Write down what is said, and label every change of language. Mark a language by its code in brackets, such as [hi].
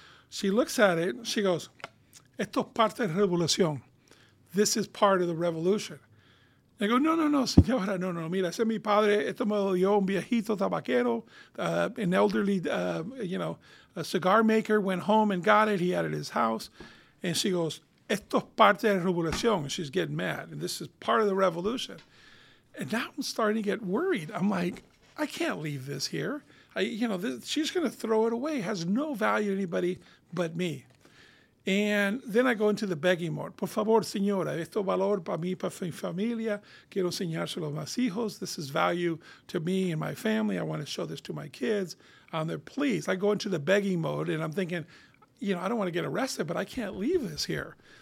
[en] She looks at it, and she goes, [es] esto es parte de la revolución, [en] this is part of the revolution. I go, [es] no, señora, no. Mira, ese mi padre, esto me lo dio un viejito tabaquero, [en] an elderly, a cigar maker, went home and got it. He had it at his house. And she goes, [es] esto es parte de la revolución. [en] And she's getting mad. And this is part of the revolution. And now I'm starting to get worried. I'm like, I can't leave this here. She's going to throw it away. It has no value to anybody but me. And then I go into the begging mode. [es] Por favor, señora, esto valor para mí, para mi familia. Quiero enseñárselo a mis hijos. [en] This is value to me and my family. I want to show this to my kids. They're please. I go into the begging mode, and I'm thinking, you know, I don't want to get arrested, but I can't leave this here.